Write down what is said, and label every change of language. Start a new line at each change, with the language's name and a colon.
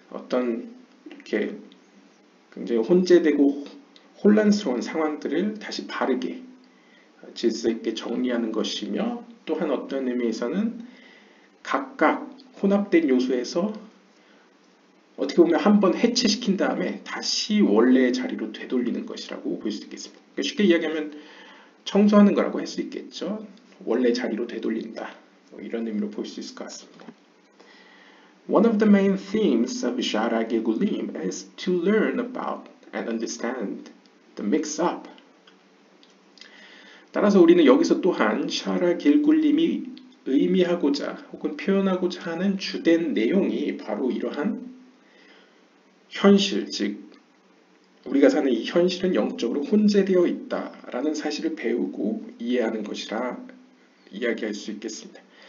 Korean: 어떤 이렇게 굉장히 혼재되고 혼란스러운 상황들을 다시 바르게 질서 있게 정리하는 것이며, 또한 어떤 의미에서는 각각 혼합된 요소에서 어떻게 보면 한번 해체시킨 다음에 다시 원래의 자리로 되돌리는 것이라고 볼수 있겠습니다. 쉽게 이야기하면 청소하는 거라고 할수 있겠죠. 원래 자리로 되돌린다. 이런 의미로 볼수 있을 것 같습니다.
English: One of the main themes of Zsára Gyógyulim is to learn about and understand the mix-up.
Korean: 따라서 우리는 여기서 또한 샤라 길굴림이 의미하고자 혹은 표현하고자 하는 주된 내용이 바로 이러한 현실, 즉 우리가 사는 이 현실은 영적으로 혼재되어 있다라는 사실을 배우고 이해하는 것이라 이야기할 수 있겠습니다.